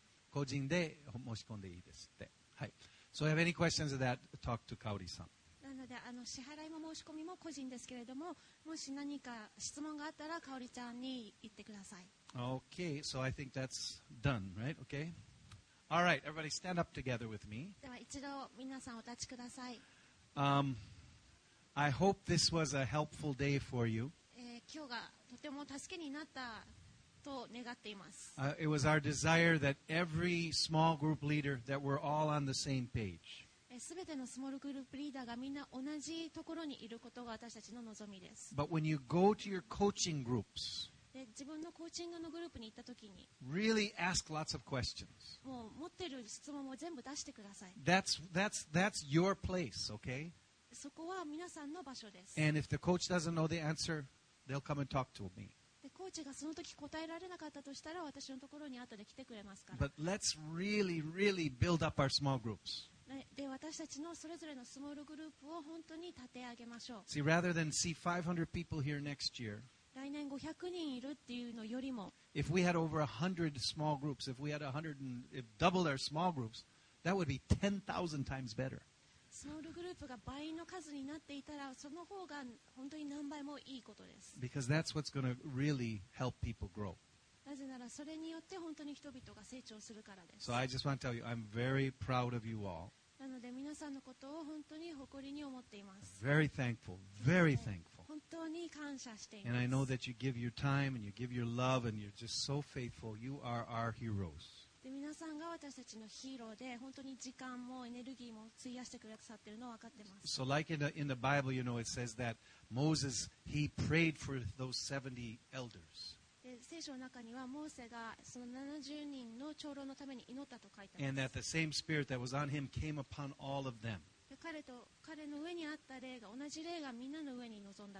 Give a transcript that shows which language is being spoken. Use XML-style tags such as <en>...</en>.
<ja>個人で申し込んでいいですって。はい。</ja> <en>So if you have any questions of that, talk to Kaori-san.</en> <ja>なので支払いも申し込みも個人ですけれども、もし何か質問があったら、香里ちゃんに言ってください。</ja> <en>Okay, so I think that's done, right? Okay? All right, everybody stand up together with me.</en> <ja>では一度皆さんお立ちください。</ja> <en>I hope this was a helpful day for you.</en> <ja>今日がとても助けになったと願っています。</ja> <en>It was our desire that every small group leader that we're all on the same page.</en> <ja>すべてのスモールグループリーダーがみんな同じところにいることが私たちの望みです。</ja> <en>But when you go to your coaching groups,</en> <ja>自分のコーチングのグループに行ったときに、</ja> <en>really ask lots of questions.</en> <ja>もう持ってる質問も全部出してください。</ja> <en>That's your place, okay?</en> <ja>そこは皆さんの場所です。</ja> <en>And if the coach doesn't know the answer, they'll come and talk to me.</en> <ja>でコーチがその時答えられなかったとしたら私のところに後で来てくれますから。</ja> <en>But let's really, really build up our small groups.</en> <ja>で私たちのそれぞれのスモールグループを本当に立て上げましょう。</ja> <en>See, rather than see 500 people here next year,</en> <ja>来年500人いるっていうのよりも、</ja> <en>if we had over 100 small groups, if we had 100 and if doubled our small groups, that would be 10,000 times better.</en> <ja>スモールグループが倍の数になっていたら、その方が本当に何倍もいいことです。</ja> <en>Because that's what's going to really help people grow.</en> <ja>なぜならそれによって本当に人々が成長するからです。</ja> <en>So I just want to tell you, I'm very proud of you all.</en> <ja>なので皆さんのことを本当に誇りに思っています。</ja> <en>Very thankful, very thankful.</en> <ja>本当に感謝しています。</ja> <en>And I know that you give your time and you give your love and you're just so faithful. You are our heroes.</en> <ja>で皆さんが私たちのヒーローで本当に時間もエネルギーも費やしてくださってるのを分かってます。</ja> <en>So like in the Bible, you know, it says that Moses, he prayed for those 70 elders.</en> <ja>聖書の中にはモーセがその70人の長老のために祈ったと書いてあります。</ja> <en>And that the same spirit that was on him came upon all of them.</en> <ja>彼と彼の上にあった霊が同じ霊がみんなの上に臨んだ。</ja>